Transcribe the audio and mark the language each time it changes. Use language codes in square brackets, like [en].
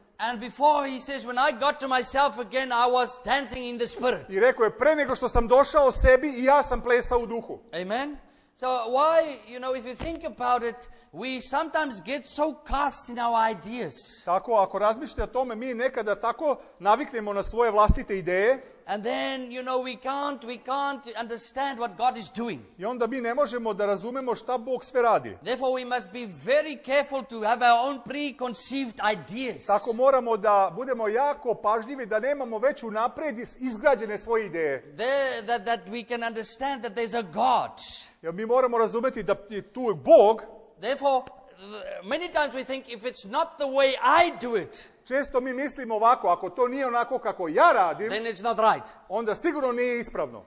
[en] And before he says, when I got to myself again, I was dancing in the spirit. [sr] I rekao je, pre nego što sam došao sebi, i ja sam plesao u duhu. Amen. [en] So why, you know, if you think about it, we sometimes get so cast in our ideas. [sr] Tako, ako razmišljate o tome, mi nekada tako naviknemo na svoje vlastite ideje. [en] And then, you know, we can't understand what God is doing. [sr] I onda mi ne možemo da razumemo šta Bog sve radi. [en] Therefore, we must be very careful to have our own preconceived ideas. [sr] Tako moramo da budemo jako pažljivi da nemamo već unapred izgrađene svoje ideje. [en] That we can understand that there's a God. [sr] Jer mi moramo razumjeti da je tu Bog. [en] Therefore, many times we think if it's not the way I do it. [sr] Često mi mislimo ovako, ako to nije onako kako ja radim, [en] then it's not right. [sr] Onda sigurno nije ispravno.